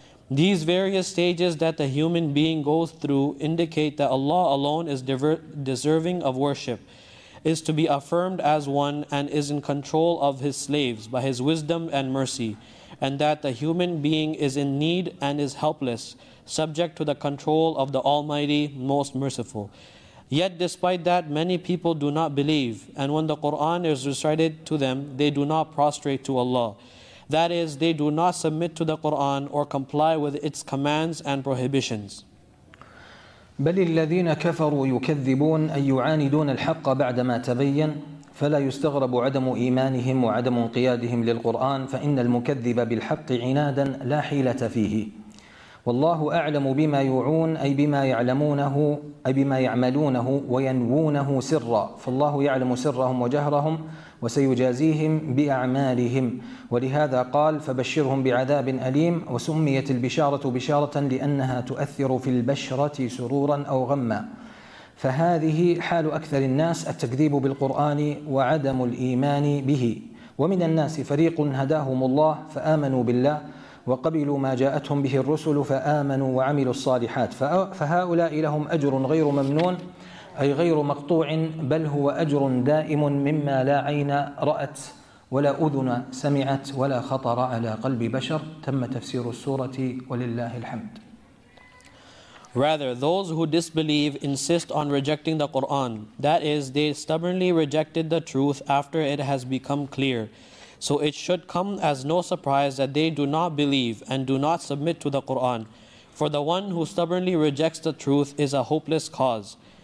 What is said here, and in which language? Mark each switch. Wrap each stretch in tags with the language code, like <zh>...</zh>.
<en>These various stages that the human being goes through indicate that Allah alone is deserving of worship, is to be affirmed as one, and is in control of his slaves by his wisdom and mercy, and that the human being is in need and is helpless, subject to the control of the Almighty, Most Merciful. Yet despite that, many people do not believe, and when the Qur'an is recited to them, they do not prostrate to Allah. That is, they do not submit to the Qur'an or comply with its commands and prohibitions.</en> <ar>بل الذين كفروا يكذبون أن يعاندون الحق بعدما تبين فلا يستغرب عدم إيمانهم وعدم انقيادهم للقرآن فإن المكذب بالحق عنادا لا حيلة فيه والله أعلم بما يوعون أي بما يعلمونه أي بما يعملونه وينوونه سرا فالله يعلم سرهم وجهرهم وسيجازيهم بأعمالهم ولهذا قال فبشرهم بعذاب أليم وسميت البشارة بشارة لأنها تؤثر في البشرة سرورا أو غما فهذه حال أكثر الناس التكذيب بالقرآن وعدم الإيمان به ومن الناس فريق هداهم الله فآمنوا بالله وقبلوا ما جاءتهم به الرسل فآمنوا وعملوا الصالحات فهؤلاء لهم أجر غير ممنون أي غير مقطوع بل هو أجر دائم مما لا عين رأت ولا أذن سمعت ولا خطر على قلب بشر تم تفسير السورة ولله الحمد.</ar> <en>Rather, those who disbelieve insist on rejecting the Quran. That is, they stubbornly rejected the truth after it has become clear. So it should come as no surprise that they do not believe and do not submit to the Quran. For the one who stubbornly rejects the truth is a hopeless cause.</en>